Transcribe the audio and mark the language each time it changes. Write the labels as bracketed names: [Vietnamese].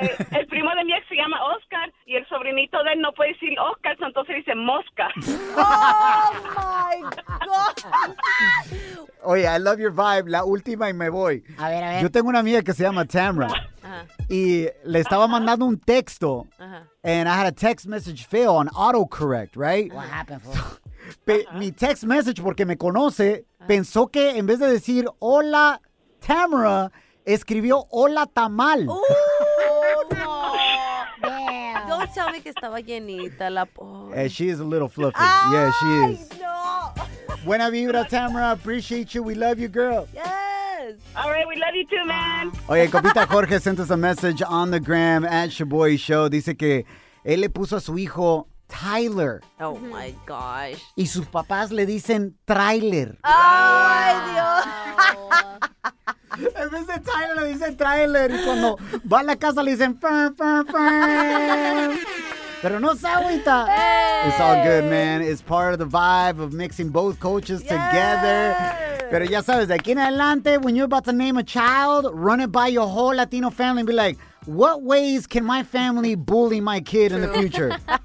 [Spanish] El primo de mi ex se llama Oscar y el sobrinito de él no puede decir Oscar, entonces dice Mosca. [English] Oh my God. [Spanish] Oye, [English] I love your vibe. [Spanish] La última y me voy. A ver. Yo tengo una amiga que se llama Tamara. Y le estaba mandando un texto. [English] And I had a text message fail on autocorrect, right? What happened, fool? [Spanish] Mi text message, porque me conoce, pensó que en vez de decir hola Tamara, escribió hola tamal. [English] Don't tell me [Spanish] que estaba llenita la pobre. [English] She is a little fluffy. She is. [Spanish] Buena vibra, [English] Tamara. Appreciate you. We love you, girl. Yes. All right, we love you too, man. [Spanish] Oye, [English] Copita Jorge sent us a message on the gram at Shaboy Show. [Spanish] Dice que él le puso a su hijo Tyler. Oh, my gosh. Y sus papás le dicen Tyler. Ay, Dios. En vez de Tyler, le dicen Tyler. Y cuando va a la casa, le dicen fan. Pero no se agüita. [English] Hey. It's all good, man. It's part of the vibe of mixing both cultures together. [Spanish] Pero ya sabes, de aquí en adelante, [English] when you're about to name a child, run it by your whole Latino family and be like, what ways can my family bully my kid in the future?